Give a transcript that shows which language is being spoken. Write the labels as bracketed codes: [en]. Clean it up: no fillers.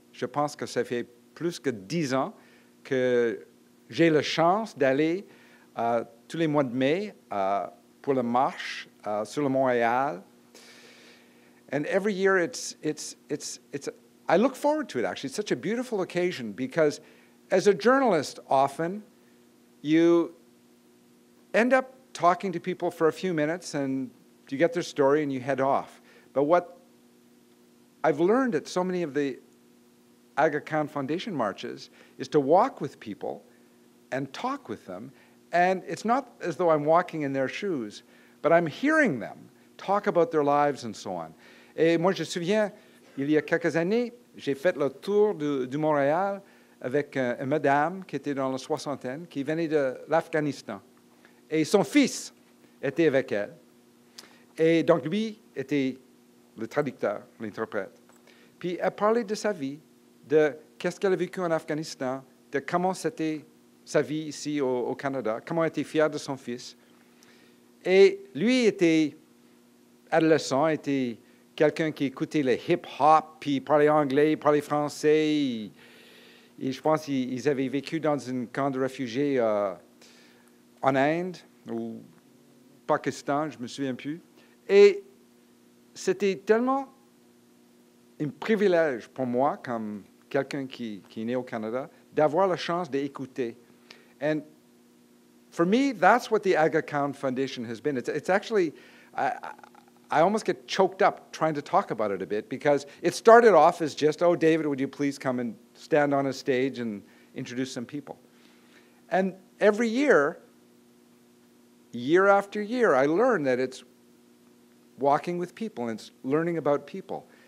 [fr] Je pense que ça fait plus que 10 ans que j'ai la chance d'aller tous les mois de mai pour la marche sur le Montréal. [en] And every year I look forward to it actually. It's such a beautiful occasion because as a journalist often you end up talking to people for a few minutes and you get their story and you head off. But what I've learned at so many of the Aga Khan Foundation marches is to walk with people and talk with them. And it's not as though I'm walking in their shoes, but I'm hearing them talk about their lives and so on. [fr] Et moi, je me souviens, il y a quelques années, j'ai fait le tour du Montréal avec une madame qui était dans la soixantaine, qui venait de l'Afghanistan. Et son fils était avec elle. Et donc, lui était le traducteur, l'interprète. Puis, elle parlait de sa vie, de qu'est-ce qu'elle a vécu en Afghanistan, de comment c'était sa vie ici au Canada, comment elle était fière de son fils. Et lui était adolescent, était quelqu'un qui écoutait le hip-hop, puis parlait anglais, parlait français. Et je pense qu'ils avaient vécu dans un camp de réfugiés en Inde ou Pakistan, je ne me souviens plus. Et c'était tellement un privilège pour moi, comme quelqu'un qui est né au Canada, d'avoir la chance d'écouter. [en] And for me, that's what the Aga Khan Foundation has been. It's actually... I almost get choked up trying to talk about it a bit because it started off as just, oh, David, would you please come and stand on a stage and introduce some people? And every year, year after year, I learn that it's walking with people and it's learning about people.